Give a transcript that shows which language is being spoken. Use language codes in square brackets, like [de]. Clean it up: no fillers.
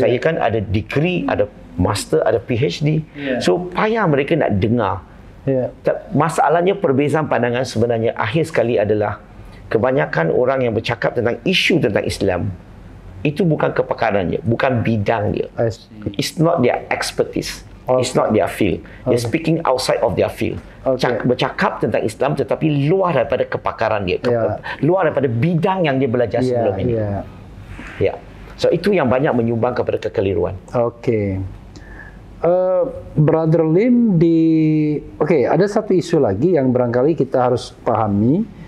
[ms] Saya kan ada degree, ada master, ada PhD, [en] yeah. [ms] So payah mereka nak dengar, [en] yeah. [ms] Masalahnya perbezaan pandangan sebenarnya akhir sekali adalah kebanyakan orang yang bercakap tentang isu tentang Islam itu bukan kepakarannya, bukan bidang dia. [en] It's not their expertise. Okay. It's not their field. They're, okay, speaking outside of their field. Okay. [ms] Bercakap tentang Islam tetapi luar daripada kepakaran dia. [en] Yeah. [ms] Luar daripada bidang yang dia belajar, [en] yeah, [ms] sebelum ini. [en] Yeah. [ms] Yeah. So itu yang banyak menyumbang kepada kekeliruan. Okay. Brother Lim, okay, ada satu isu lagi yang barangkali kita harus pahami.